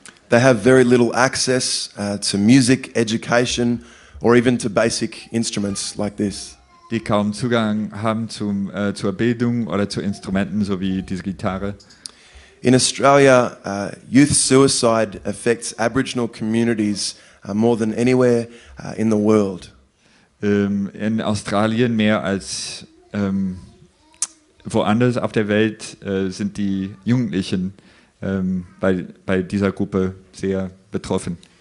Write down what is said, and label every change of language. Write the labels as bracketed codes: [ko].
[en] They have very little access to music, education, or even to basic instruments like this. [de] Die kaum Zugang haben zur Bildung oder zu Instrumenten, so wie diese Gitarre. [en] In Australia, youth suicide affects Aboriginal communities more than anywhere in the world. [de] In Australien mehr als woanders auf der Welt sind die Jugendlichen bei dieser Gruppe sehr betroffen.